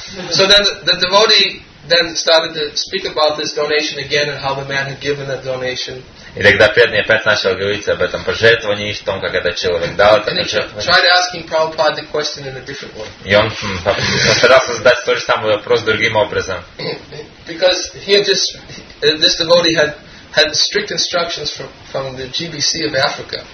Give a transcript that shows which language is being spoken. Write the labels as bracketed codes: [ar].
[en] So then the devotee then started to speak about this donation again and how the man had given that donation. [ru] И тогда преданный опять начал говорить об этом пожертвовании и о том, как этот человек дал это пожертвование. [en] Tried asking Prabhupada the question in a different way. [ru] И он попытался задать тот же самый вопрос другим образом. [en] Because he had just this devotee had strict instructions from the GBC of Africa.